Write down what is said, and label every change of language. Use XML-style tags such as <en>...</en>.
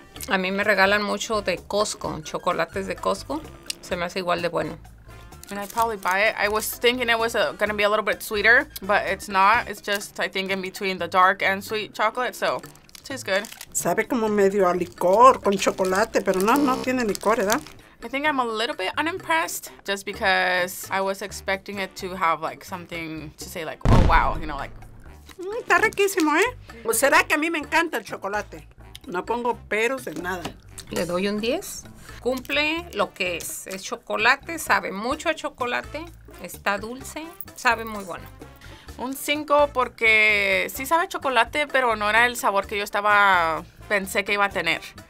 <es>A mí me regalan mucho de Costco, chocolates de Costco. Se me hace igual de bueno.</es> <en>And I'd probably buy it. I was thinking it was going to be a little bit sweeter, but it's not. It's just, I think, in between the dark and sweet chocolate, so it tastes good.</en> <es>Sabe como medio a licor con chocolate, pero no, no tiene licor, ¿verdad?</es> <en>I think I'm a little bit unimpressed just because I was expecting it to have like something to say like, oh wow, you know, like.</en> <es>Está riquísimo, ¿eh? ¿Será que a mí me encanta el chocolate? No pongo peros en nada. Le doy un 10. Cumple lo que es. Es chocolate, sabe mucho a chocolate, está dulce, sabe muy bueno. Un 5 porque sí sabe a chocolate, pero no era el sabor que yo estaba, pensé que iba a tener.</es>